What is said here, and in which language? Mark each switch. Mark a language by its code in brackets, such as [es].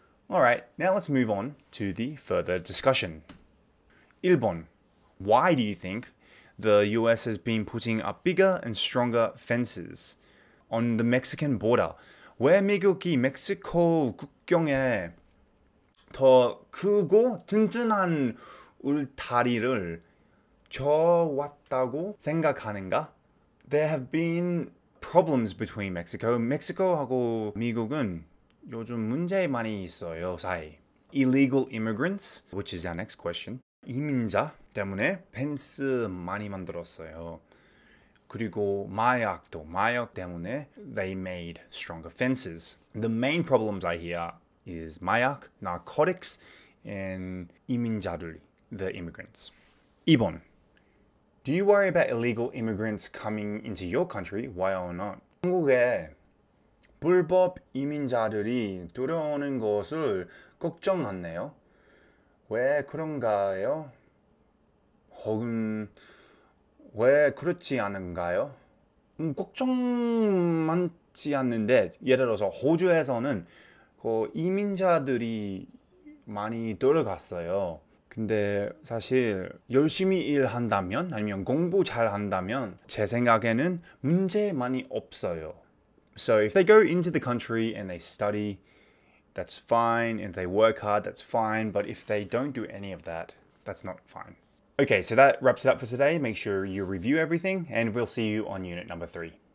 [en] Alright, now let's move on to the further discussion. [ko] 1번. [en] Why do you think the US has been putting up bigger and stronger fences on the Mexican border? [ko] 왜 미국이 멕시코 국경에 더 크고 든든한 울타리를 쳐왔다고 생각하는가? [en] There have been problems between Mexico. [ko] Mexico하고 미국은 요즘 문제 많이 있어요, 사이. [en] Illegal immigrants, which is our next question. [ko] 이민자 때문에 펜스 많이 만들었어요. 그리고 마약도, 마약 때문에 [en] they made stronger fences. The main problems I hear is 마약, narcotics, and 이민자들, the immigrants. [ko] 2번. [en] Do you worry about illegal immigrants coming into your country? Why or not? [ko] 한국에 불법 이민자들이 들어오는 것을 걱정하네요. 왜 그런가요? 혹은 왜 그렇지 않은가요? 걱정 많지 않는데 예를 들어서 호주에서는 그 이민자들이 많이 들어갔어요. 근데 사실 열심히 일한다면 아니면 공부 잘한다면 제 생각에는 문제 많이 없어요. [en] So if they go into the country and they study, that's fine. If they work hard, that's fine. But if they don't do any of that, that's not fine. Okay, so that wraps it up for today. Make sure you review everything and we'll see you on unit number 3.